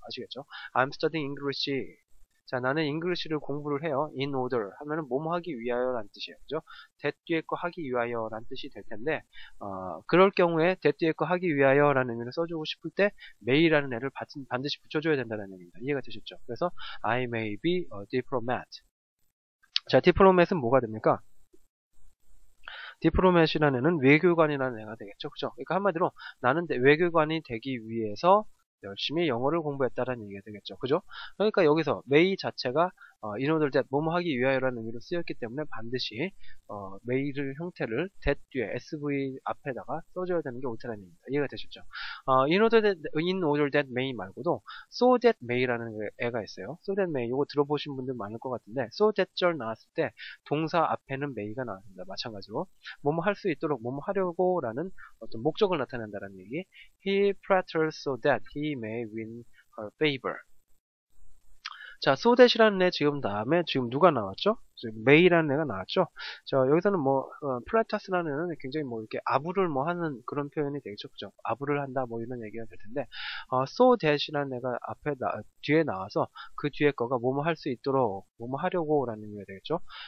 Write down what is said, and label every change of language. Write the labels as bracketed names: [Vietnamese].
[Korean] 아시겠죠? [English] I'm studying English. [Korean] 자, 나는 English를 공부를 해요. In order 하면은 뭐뭐 하기 위하여라는 뜻이에요. 그죠? that 뒤에 거 하기 위하여라는 뜻이 될 텐데 그럴 경우에 that 뒤에 거 하기 위하여라는 의미를 써주고 싶을 때 may라는 애를 반드시 붙여줘야 된다는 얘기입니다. 이해가 되셨죠? 그래서 [English] I may be a diplomat. [Korean] 자, 디플로맷은 뭐가 됩니까? 디플로맷이라는 애는 외교관이라는 애가 되겠죠. 그죠? 그러니까 한마디로 나는 외교관이 되기 위해서 열심히 영어를 공부했다라는 얘기가 되겠죠. 그죠? 그러니까 여기서 may 자체가 in order that 뭐뭐 하기 위하여라는 의미로 쓰였기 때문에 반드시 may를 형태를 that 뒤에 sv 앞에다가 써줘야 되는 게 옳다는 얘기입니다. 이해가 되셨죠? In order that may 말고도 so that may라는 애가 있어요. so that may 이거 들어보신 분들 많을 것 같은데 so that 절 나왔을 때 동사 앞에는 may가 나왔습니다. 마찬가지로 뭐뭐 할 수 있도록 뭐뭐 하려고 라는 어떤 목적을 나타낸다라는 얘기. [English] he prattles so that he may win her favor. [Korean] 자, so that이라는 애 지금 다음에 지금 누가 나왔죠? 지금 may라는 애가 나왔죠? 자, 여기서는 뭐 prattles라는 애는 굉장히 뭐 이렇게 아부를 뭐 하는 그런 표현이 되겠죠. 그죠? 아부를 한다 뭐 이런 얘기가 될 텐데 so that이라는 애가 앞에 뒤에 나와서 그 뒤에 거가 뭐뭐 할 수 있도록 뭐뭐 하려고 라는 의미가 되겠죠?